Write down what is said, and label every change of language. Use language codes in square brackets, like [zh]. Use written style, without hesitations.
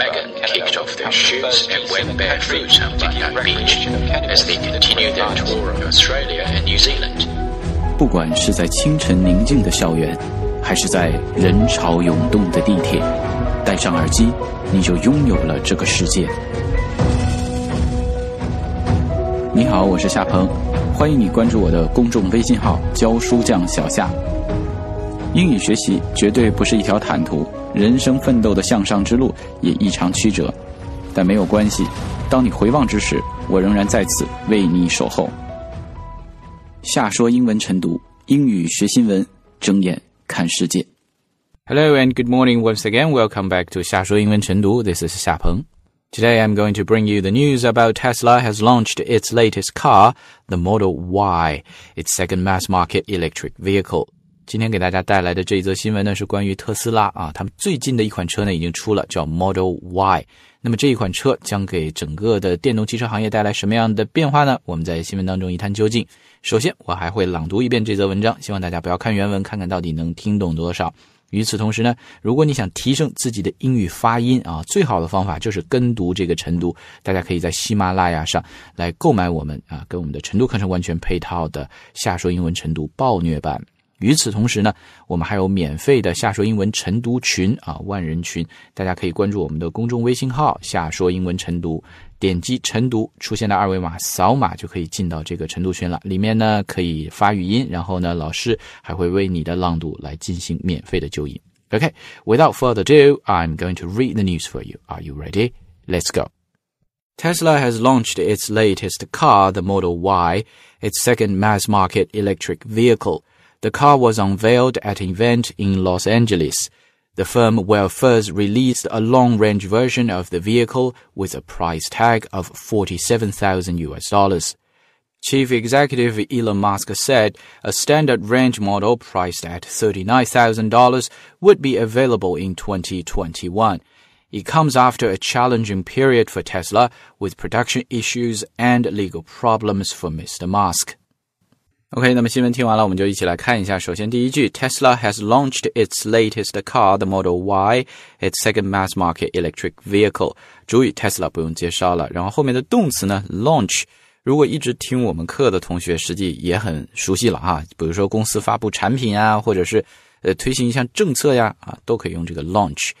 [en] Meghan kicked off their shoots and went barefoot on Bundang Beach as they continued their tour of Australia and New Zealand. [zh] 不管是在清晨宁静的校园，还是在人潮涌动的地铁，戴上耳机，你就拥有了这个世界。你好，我是夏鹏，欢迎你关注我的公众微信号教书匠小夏。英语学习绝对不是一条坦途，人生奋斗的向上之路也异常曲折，但没有关系，当你回望之时，我仍然在此为你守候。夏说英文晨读，英语学新闻，睁眼看世界。 [en] Hello and good morning once again. Welcome back to 夏说英文晨读。This is 夏鹏。 Today, I'm going to bring you the news about Tesla has launched its latest car, the Model Y, its second mass-market electric vehicle. [zh] 今天给大家带来的这一则新闻呢，是关于特斯拉啊，他们最近的一款车呢已经出了，叫 Model Y。那么这一款车将给整个的电动汽车行业带来什么样的变化呢？我们在新闻当中一探究竟。首先，我还会朗读一遍这则文章，希望大家不要看原文，看看到底能听懂多少。与此同时呢，如果你想提升自己的英语发音啊，最好的方法就是跟读这个晨读。大家可以在喜马拉雅上来购买我们啊，跟我们的晨读课程完全配套的夏说英文晨读暴虐版。与此同时呢，我们还有免费的夏说英文晨读群啊，万人群，大家可以关注我们的公众微信号夏说英文晨读，点击晨读出现的二维码，扫码就可以进到这个晨读群了。里面呢可以发语音，然后呢老师还会为你的朗读来进行免费的纠音。 [en] OK, without further ado, I'm going to read the news for you. Are you ready? Let's go. Tesla has launched its latest car, the Model Y, its second mass market electric vehicle. The car was unveiled at an event in Los Angeles. The firm will first release a long-range version of the vehicle with a price tag of $47,000. Chief Executive Elon Musk said a standard range model priced at $39,000 would be available in 2021. It comes after a challenging period for Tesla with production issues and legal problems for Mr. Musk. [zh] OK, 那么新闻听完了，我们就一起来看一下。首先第一句， [en] Tesla has launched its latest car, the Model Y, its second mass market electric vehicle. [zh] 主语 Tesla 不用介绍了，然后后面的动词呢 launch, 如果一直听我们课的同学实际也很熟悉了啊，比如说公司发布产品啊，或者是推行一项政策呀啊，都可以用这个 launch。